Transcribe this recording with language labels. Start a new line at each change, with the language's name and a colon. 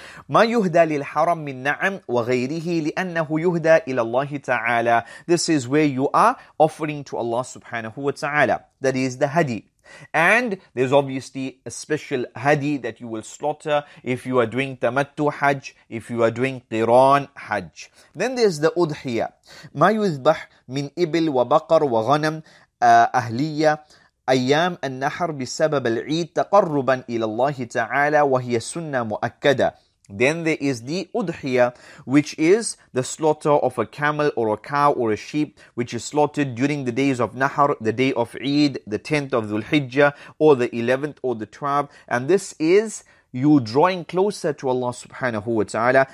Arabic: مَا يُهْدَى لِلْحَرَمْ مِنْ نَعَمْ وَغَيْرِهِ لِأَنَّهُ يُهْدَى إِلَى اللَّهِ تَعَالَى.
English: This is where you are offering to Allah subhanahu wa ta'ala. That is the hadi. And there's obviously a special hadi that you will slaughter if you are doing tamattu hajj, if you are doing qiran hajj. Then there's the udhiya.
Arabic: ما يذبح من إبل وبقر وغنم أهلية أيام النحر بسبب العيد تقربا إلى الله تعالى وهي سنة مؤكدة.
English: Then there is the udhiyah, which is the slaughter of a camel or a cow or a sheep, which is slaughtered during the days of Nahr, the day of Eid, the 10th of Dhul Hijjah, or the 11th or the 12th. And this is you drawing closer to Allah subhanahu wa ta'ala.